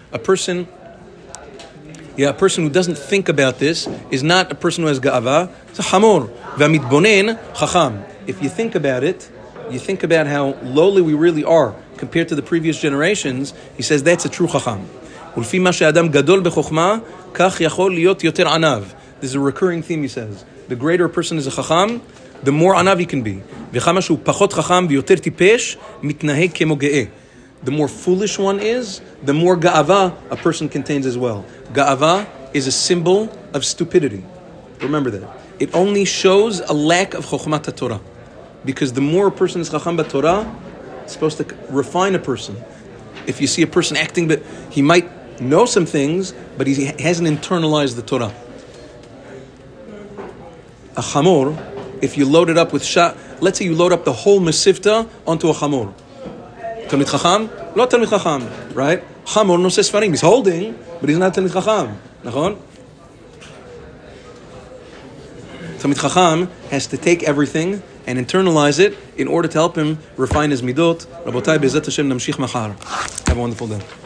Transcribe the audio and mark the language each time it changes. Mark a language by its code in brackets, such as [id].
[en] A person who doesn't think about this is not a person who has גאווה. [he] זה חמור. והמתבונן, חכם. [en] If you think about it, you think about how lowly we really are compared to the previous generations, he says that's a true חכם. [he] ולפי מה שאדם גדול בחוכמה, כך יכול להיות יותר ענב. [en] This is a recurring theme, he says. The greater a person is a חכם, the more ענב he can be. [he] וכמה שהוא פחות חכם ויותר טיפש, מתנהג כמו גאה. [en] The more foolish one is, the more ga'ava a person contains as well. Ga'ava is a symbol of stupidity. Remember that. It only shows a lack of chokhmat Torah. Because the more a person is chacham ba'Torah, it's supposed to refine a person. If you see a person acting, but he might know some things, but he hasn't internalized the Torah. A chamor, if you load it up with sha, let's say you load up the whole masifta onto a chamor. תלמיד חכם? [he] לא תלמיד חכם, [en] right? [he] חמור נושא ספרים, [en] he's holding, but he's not [he] תלמיד חכם, נכון? [en] תלמיד חכם has to take everything and internalize it in order to help him refine his מידות. [he] רבותיי, בעזרת השם נמשיך מחר. [en] Have a wonderful day.